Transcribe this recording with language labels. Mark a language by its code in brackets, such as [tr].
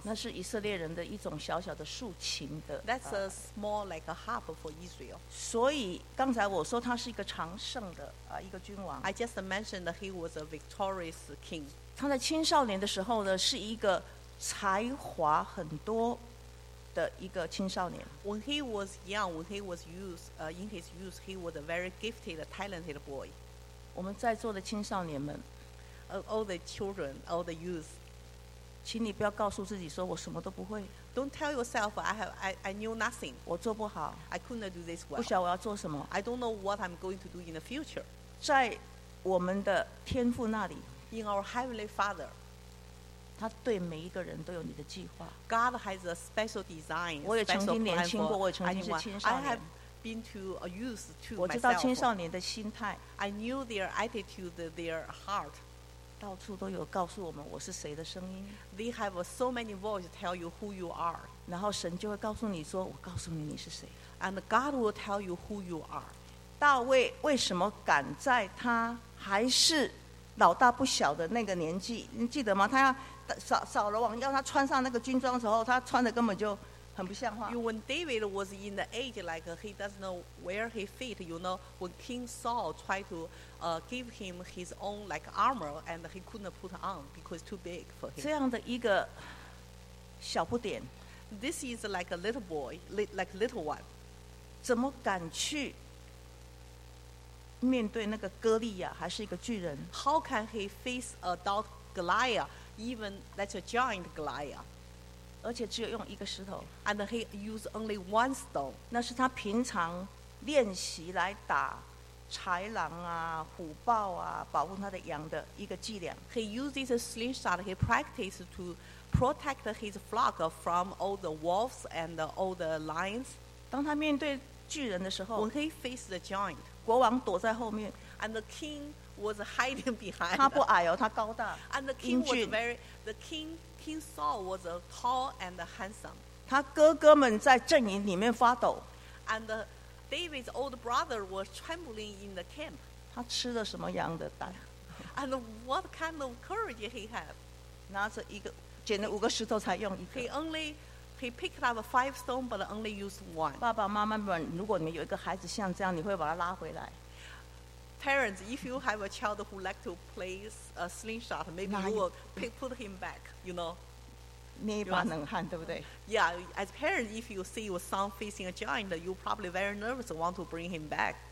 [zh] 那是以色列人的一种小小的竖琴的 [en] that's a small like a harp for Israel [zh] 所以刚才我说他是一个长胜的一个君王 [en] I just mentioned that he was a victorious king [zh] 他在青少年的时候呢，是一个才华很多的一个青少年。 [en] When he was young, when he was youth, in his youth, he was a very gifted, talented boy. [zh] 我们在座的青少年们 [en] all the children, all the youth, [zh] 请你不要告诉自己说我什么都不会。 [en] Don't tell yourself I knew nothing. [zh] 我做不好。 [en] I couldn't do this well. [zh] 不晓得我要做什么。 [en] I don't know what I'm going to do in the future. [zh] 在我们的天父那里 [en] ，In our heavenly Father. [zh] 他对每一个人都有你的计划。 [en] God has a special design. [zh] 我也曾经年轻过，我也曾经是青少年。 [en] Been to a youth to myself. [zh] 我知道青少年的心态。 [en] I knew their attitude, their heart. [zh] 到处都有告诉我们我是谁的声音。 [en] They have so many voices tell you who you are. [zh] 然后神就会告诉你说，我告诉你你是谁。 [en] And God will tell you who you are. [zh] 大卫为什么敢在他还是老大不小的那个年纪？你记得吗？他要扫罗王要他穿上那个军装的时候，他穿的根本就。很不像话。 [en] When David was in the age, like he doesn't know where he fit, you know, when King Saul tried to give him his own like armor, and he couldn't put on because too big for him. [zh] 这样的一个小不点。 [en] This is like a little boy, like little one. [zh] 怎么敢去面对那个哥利亚，还是一个巨人 [en] ？How can he face a adult Goliath, even that's a giant Goliath? [zh] 而且只有用一个石头 [en] ，and he used only one stone。 [zh] 那是他平常练习来打豺狼啊、虎豹啊，保护他的羊的一个伎俩。 [en] He uses a slingshot. He practices to protect his flock from all the wolves and all the lions。 [zh] 当他面对巨人的时候 [en] ，when he faced the giant， [zh] 国王躲在后面 [en] ，and the king was hiding behind。 [zh] 他不矮哦，他高大。 [en] And the king was very the king. King Saul was tall and handsome. [zh] 他哥哥们在阵营里面发抖。 [en] And David's old brother was trembling in the camp. [zh] 他吃了什么羊的蛋 [en] ？And what kind of courage he had? [zh] 拿着一个，捡了五个石头才用一个。 [en] He picked up five stones, but only used one. [zh] 爸爸妈妈们，如果你们有一个孩子像这样，你会把他拉回来。 [en] Parents, if you have a child who like to play a slingshot, maybe you will put him back, you know. [zh] 捏一把冷汗，对不对 [en] ？Yeah, as parents, if you see your son facing a giant, you probably very nervous and want to bring him back.